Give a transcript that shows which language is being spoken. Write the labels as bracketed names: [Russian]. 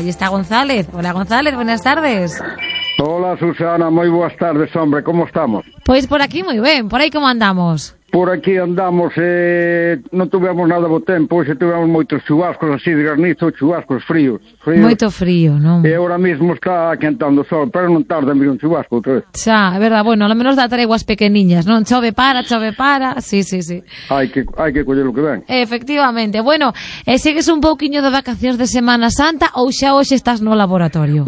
[Spanish] Y está González. Hola, González, buenas tardes. Hola, Susana, muy buenas tardes, hombre, ¿cómo estamos? Pues por aquí muy bien, ¿por ahí cómo andamos? Por aquí andamos, no tuvimos [Galician] nada bo tempo, hoxe tuvimos moitos chubascos así de granizo, chubascos fríos. Fríos. Moito frío, non? E ahora mesmo está quentando o sol, pero non tarda en vir un chubasco outra vez. Xa, é verdade, bueno, ao menos dá treguas pequeniñas, non? Chove para, sí, sí, sí. Hai que coller o que ven. Efectivamente, bueno, segues un pouquiño de vacacións de Semana Santa ou xa hoxe estás no laboratorio?